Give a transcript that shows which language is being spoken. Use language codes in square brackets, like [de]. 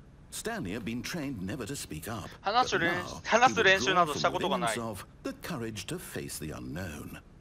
[en] Stanley had been trained never to speak up. [ja] 話す練習などしたことがない。 [en] The courage to face the unknown.